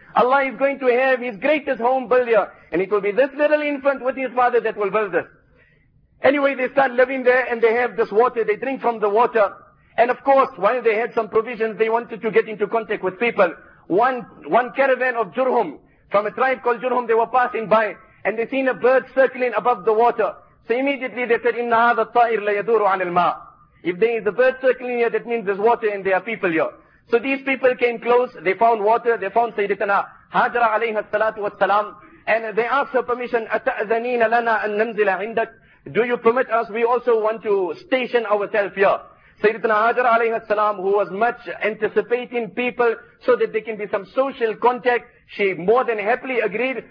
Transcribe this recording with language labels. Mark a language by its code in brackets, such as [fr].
[en] Allah is going to have his greatest home built here. And it will be this little infant with his father that will build this. Anyway, they start living there and they have this water. They drink from the water. And of course, while they had some provisions, they wanted to get into contact with people. One caravan of Jurhum, from a tribe called Jurhum, they were passing by, and they seen a bird circling above the water. So immediately they said, [ar] إِنَّ هَذَا الطَّائِرْ لَيَدُورُ عَلَى الْمَاءِ. [en] If there is a bird circling here, that means there's water and there are people here. So these people came close, they found water, they found Sayyidatina Hajra alayhi salatu wa salam, and they asked her permission, [ar] أَتَأْذَنِينَ لَنَا أَن نَمْزِلَ عِنْدَكْ. [en] Do you permit us? We also want to station ourselves here. Sayyidatina Hajar alayhi salam, who was much anticipating people so that there can be some social contact, she more than happily agreed.